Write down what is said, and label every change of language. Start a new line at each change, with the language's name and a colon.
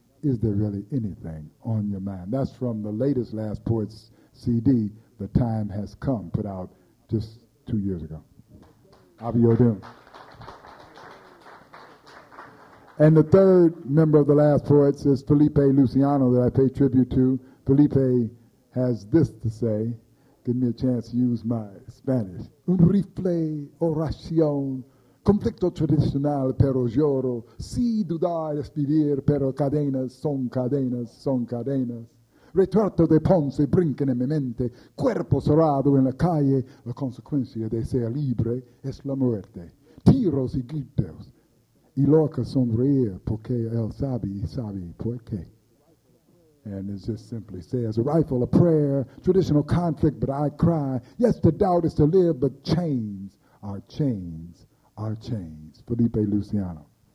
English: Is there really anything on your mind? That's from the latest Last Poets CD, The Time Has Come, put out just 2 years ago. Abio Dune. And the third member of the Last Poets is Felipe Luciano that I pay tribute to. Felipe has this to say. Give me a chance to use my Spanish.
Spanish: Un rifle oración. Conflicto tradicional, pero lloro. Si dudar es vivir, pero cadenas son cadenas, son cadenas. Retrato de Ponce brincan en mi mente. Cuerpo cerrado en la calle. La consecuencia de ser libre es la muerte. Tiros y gritos. Y loca sonríe porque él sabe, sabe por qué.
English: And it just simply says, a rifle, a prayer, traditional conflict, but I cry. Yes, the doubt is to live, but chains are chains. Our chains, Felipe Luciano.